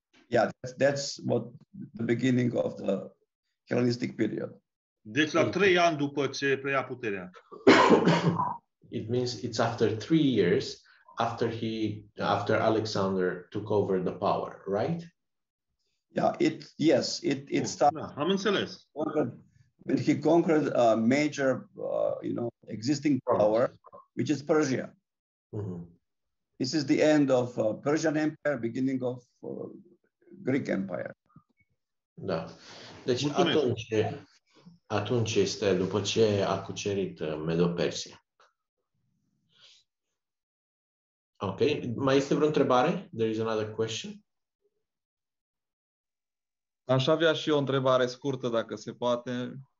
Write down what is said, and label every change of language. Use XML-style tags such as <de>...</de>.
<en>Yeah, that's what the beginning of the Hellenistic period.</en> <ro>Deci la 3 ani după ce preia puterea.</ro> <en>It means it's after 3 years after Alexander took over the power, right? Yeah, it started.</en> <ro>Am înțeles.</ro> <en>When he conquered a major, existing power, which is Persia. Mm-hmm. This is the end of Persian Empire, beginning of Greek Empire.</en> <ro>Da. Deci atunci este după ce a cucerit Medo-Persia. Ok. Mai este vreo întrebare?</ro> <en>There is another question.</en> <ro>Aș avea și eu o întrebare scurtă, dacă se poate.</ro>